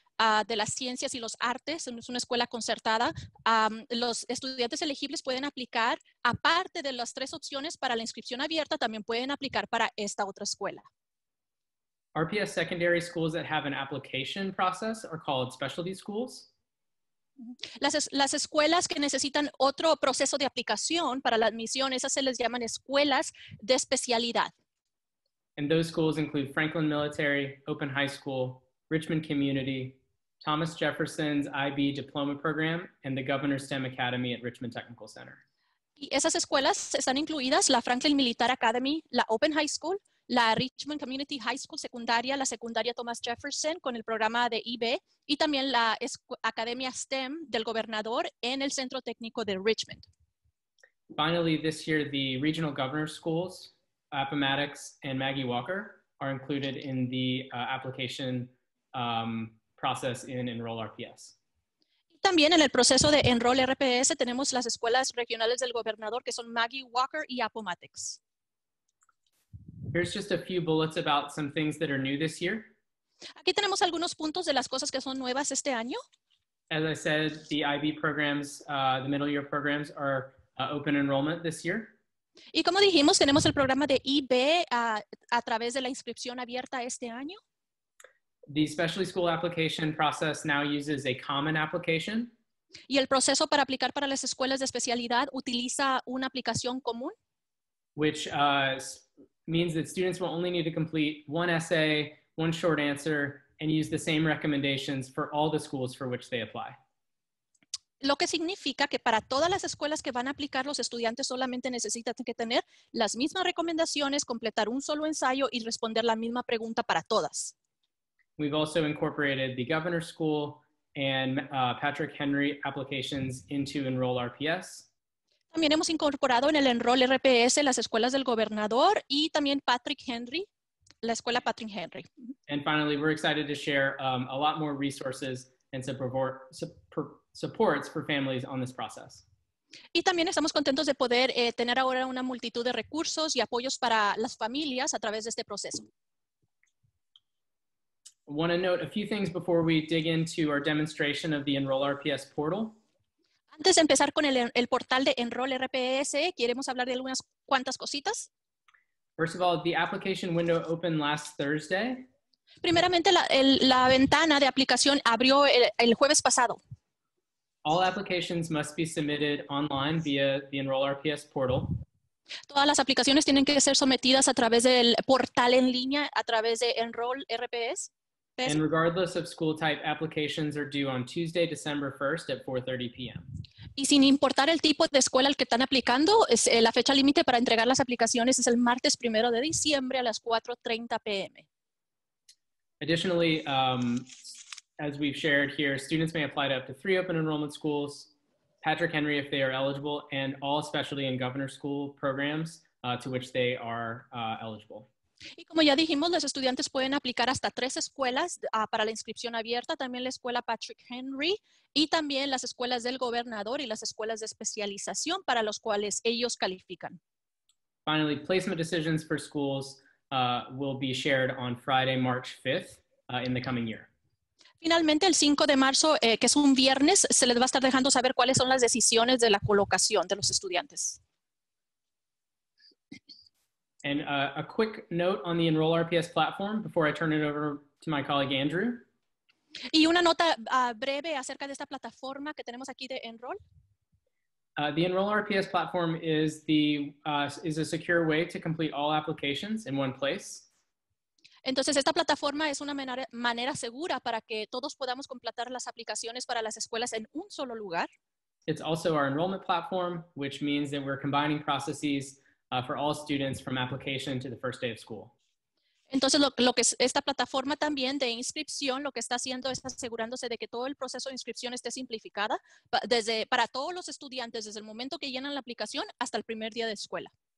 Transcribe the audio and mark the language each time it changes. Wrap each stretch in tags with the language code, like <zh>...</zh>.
<es>de las ciencias y los artes, es una escuela concertada. Los estudiantes elegibles pueden aplicar, aparte de las tres opciones para la inscripción abierta, también pueden aplicar para esta otra escuela.</es> <en>RPS secondary schools that have an application process are called specialty schools.</en> <es>Las escuelas que necesitan otro proceso de aplicación para la admisión, esas se les llaman escuelas de especialidad.</es> <en>And those schools include Franklin Military, Open High School, Richmond Community, Thomas Jefferson's IB Diploma Program, and the Governor's STEM Academy at Richmond Technical Center.</en> <es>Y esas escuelas están incluidas la Franklin Military Academy, la Open High School, la Richmond Community High School secundaria, la secundaria Thomas Jefferson con el programa de IB, y también la Academia STEM del gobernador en el Centro Técnico de Richmond.</es> <en>Finally, this year, the regional governor schools, Appomattox and Maggie Walker, are included in the application process in Enroll RPS.</en> <es>También en el proceso de Enroll RPS tenemos las escuelas regionales del gobernador que son Maggie Walker y Appomattox.</es> <en>Here's just a few bullets about some things that are new this year.</en> <es>Aquí tenemos algunos puntos de las cosas que son nuevas este año.</es> <en>As I said, the IB programs, the middle year programs are open enrollment this year.</en> <es>Y como dijimos, tenemos el programa de IB a través de la inscripción abierta este año.</es> <en>The specialty school application process now uses a common application.</en> <es>Y el proceso para aplicar para las escuelas de especialidad utiliza una aplicación común.</es> <en>Which means that students will only need to complete one essay, one short answer, and use the same recommendations for all the schools for which they apply.</en> <es>Lo que significa que para todas las escuelas que van a aplicar, los estudiantes solamente necesitan que tener las mismas recomendaciones, completar un solo ensayo y responder la misma pregunta para todas.</es> <en>We've also incorporated the Governor School and Patrick Henry applications into Enroll RPS.</en> <es>También hemos incorporado en el Enroll RPS las escuelas del gobernador y también Patrick Henry, la escuela Patrick Henry.</es> <en>And finally, we're excited to share a lot more resources and supports for families on this process.</en> <es>Y también estamos contentos de poder tener ahora una multitud de recursos y apoyos para las familias a través de este proceso.</es> <en>I want to note a few things before we dig into our demonstration of the Enroll RPS portal.</en> <es>Antes de empezar con el portal de Enroll RPS, queremos hablar de algunas cuantas cositas.</es> <en>First of all, the application window opened last Thursday.</en> <es>Primeramente, la ventana de aplicación abrió el jueves pasado.</es> <en>All applications must be submitted online via the Enroll RPS portal.</en> <es>Todas las aplicaciones tienen que ser sometidas a través del portal en línea, a través de Enroll RPS.</es> <en>And regardless of school type, applications are due on Tuesday, December 1st at 4:30 p.m.</en> <es>Y sin importar el tipo de escuela al que están aplicando, la fecha límite para entregar las aplicaciones es el martes 1 de diciembre a las 4:30 p.m.</es> <en>Additionally, as we've shared here, students may apply to up to 3 open enrollment schools, Patrick Henry if they are eligible, and all specialty and governor school programs to which they are eligible.</en> <es>Y como ya dijimos, los estudiantes pueden aplicar hasta 3 escuelas para la inscripción abierta, también la escuela Patrick Henry y también las escuelas del gobernador y las escuelas de especialización para los cuales ellos califican.</es> <en>Finally, placement decisions for schools will be shared on Friday, March 5th in the coming year.</en> <es>Finalmente, el 5 de marzo, que es un viernes, se les va a estar dejando saber cuáles son las decisiones de la colocación de los estudiantes.</es> <en>And a quick note on the Enroll RPS platform before I turn it over to my colleague Andrew.</en> <es>Y una nota breve acerca de esta plataforma que tenemos aquí de Enroll.</es> <en>The Enroll RPS platform is a secure way to complete all applications in one place.</en> <es>Entonces esta plataforma es una manera segura para que todos podamos completar las aplicaciones para las escuelas en un solo lugar.</es> <en>It's also our enrollment platform, which means that we're combining processes for all students from application to the first day of school.</en> <es>Entonces, lo que es esta plataforma también de inscripción, lo que está haciendo es asegurándose de que todo el proceso de inscripción esté simplificada para todos los estudiantes desde el momento que llenan la aplicación hasta el primer día de escuela.</es>